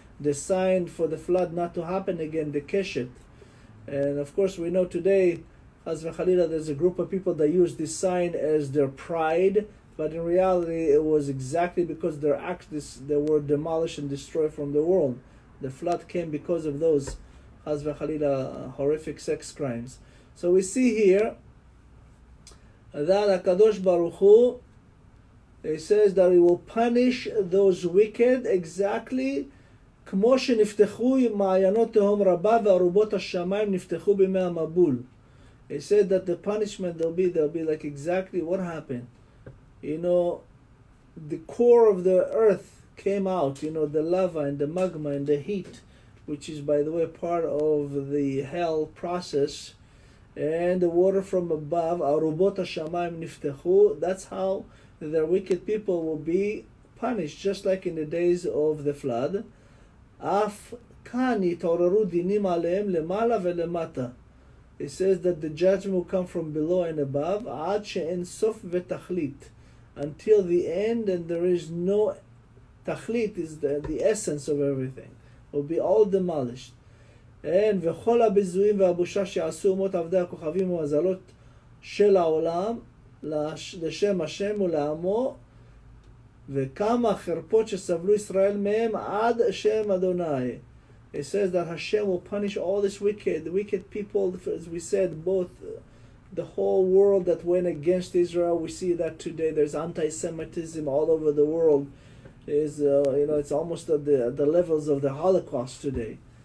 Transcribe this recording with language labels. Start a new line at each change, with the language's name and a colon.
English: the sign for the flood not to happen again, the keshet. And of course we know today, Chas v'chalila, there's a group of people that use this sign as their pride, but in reality it was exactly because their acts, they were demolished and destroyed from the world. The flood came because of those, Chas v'chalila, horrific sex crimes. So we see here that HaKadosh Baruch Hu, he says that he will punish those wicked exactly
Hebrew: כמו שנפתחו מעיינות תהום רבה וארובות השמיים נפתחו בימי המבול.
English: He said that the punishment will be like exactly what happened. You know, the core of the earth came out, you know, the lava and the magma and the heat, which is, by the way, part of the hell process. And the water from above,
Hebrew: ארובות השמיים נפתחו.
English: That's how the wicked people will be punished, just like in the days of the flood.
Hebrew: אף כאן יתעוררו דינים עליהם למעלה ולמטה.
English: He says that the judgment will come from below and above,
Hebrew: עד שאין סוף ותכלית.
English: Until the end, and there is no... תכלית is the essence of everything. Will be all demolished.
Hebrew: And וכל הביזויים והבושה שעשו אומות עבדי הכוכבים ומזלות של העולם, לשם השם ולעמו, וכמה חרפות שסבלו ישראל מהם עד שם אדוני.
English: It says that Hashem will punish all this wicked people, as we said, both the whole world that went against Israel. We see that today there's anti-Semitism all over the world. Is you know, it's almost at the levels of the Holocaust today.